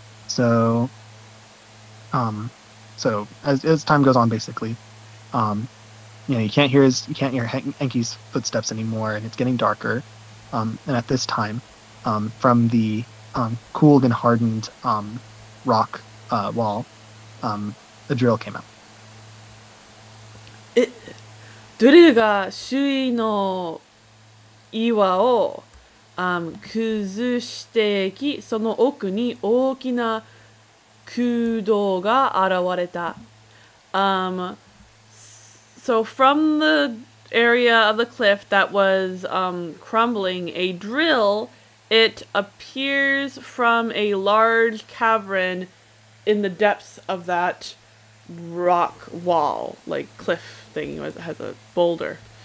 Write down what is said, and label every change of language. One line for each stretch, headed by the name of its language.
English: So as time goes on, basically, you can't hear Enki's footsteps anymore, and it's getting darker. And at this time, from the cooled and hardened rock wall, a drill came out.
Japanese: Drillが周囲の岩を崩していき、その奥に大きな空洞が現れた。
English: So from the area of the cliff that was crumbling, a drill, it appears from a large cavern in the depths of that rock wall, like cliff thing, has a boulder.